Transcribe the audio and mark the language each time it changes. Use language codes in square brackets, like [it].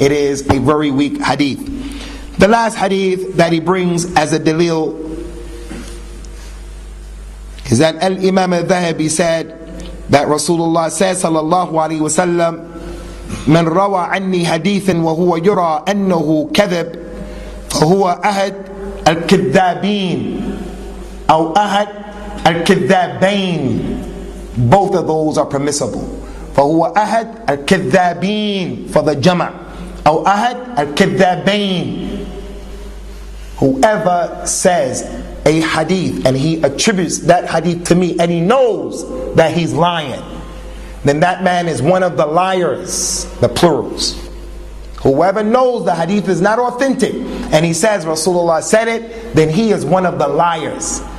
[en] It is a very weak hadith. The last hadith that he brings as a dalil is that al-Imam al-Dhahabi said that Rasulullah says, sallallahu alayhi wa sallam, [ar] من روى عني حديثا وهو يرى أنه كذب فهو أحد الكذابين [en] أو أحد الكذابين. Both of those are permissible. [ar] فهو أحد الكذابين [en] for the [ar] جمع أو أحد الكذابين. [en] Whoever says a hadith and he attributes that hadith to me and he knows that he's lying, then that man is one of the liars, the plurals. Whoever knows the hadith is not authentic, and he says Rasulullah said it, then he is one of the liars.